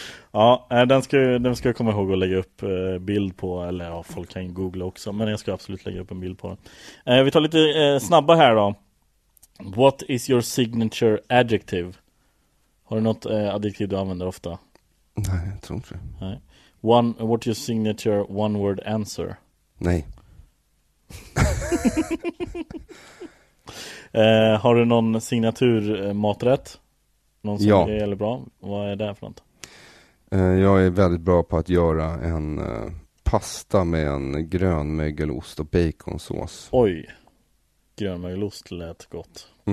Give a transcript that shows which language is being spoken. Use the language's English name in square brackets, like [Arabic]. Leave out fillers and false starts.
[Swedish] Ja, den ska jag komma ihåg att lägga upp bild på. Eller ja, folk kan googla också. Men jag ska absolut lägga upp en bild på den. Vi tar lite snabba här då. [English] What is your signature adjective? [Swedish] Har du något adjektiv du använder ofta? Nej, jag tror inte. Nej. [English] One, what is your signature one word answer? [Swedish] Nej. Har du någon signatur maträtt? Någon som är jävligt bra? Vad är det för något? Jag är väldigt bra på att göra en pasta med en grön mögelost och baconsås. Oj. Grönmögelost lät gott.